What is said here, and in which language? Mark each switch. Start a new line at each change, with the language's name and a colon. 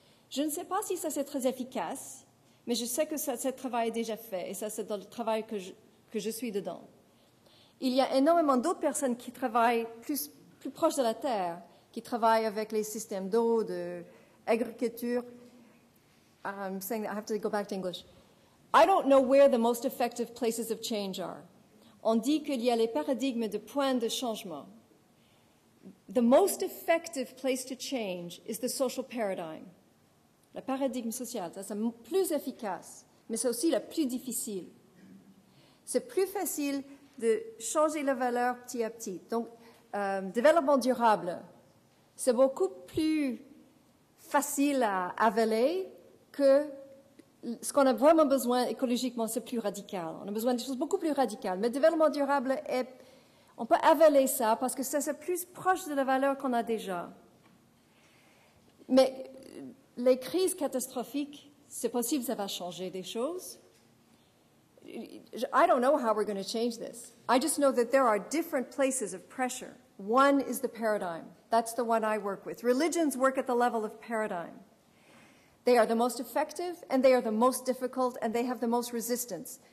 French: Je ne sais pas si ça c'est très efficace, mais je sais que ça, ce travail est déjà fait, et ça c'est dans le travail que je suis dedans. Il y a énormément d'autres personnes qui travaillent plus proches de la Terre, qui travaillent avec les systèmes d'eau, d'agriculture.
English: I'm saying that I have to go back to English. I don't know where the most effective places of change are.
French: On dit qu'il y a les paradigmes de points de changement.
English: The most effective place to change is the social paradigm.
French: Le paradigme social, ça c'est plus efficace, mais c'est aussi le plus difficile. C'est plus facile de changer la valeur petit à petit. Donc, développement durable, c'est beaucoup plus facile à avaler que ce qu'on a vraiment besoin écologiquement, c'est plus radical. On a besoin de choses beaucoup plus radicales. Mais développement durable, on peut avaler ça parce que ça, c'est plus proche de la valeur qu'on a déjà. Mais les crises catastrophiques, c'est possible, ça va changer des choses.
English: I don't know how we're going to change this. I just know that there are different places of pressure. One is the paradigm. That's the one I work with. Religions work at the level of paradigm. They are the most effective, and they are the most difficult, and they have the most resistance.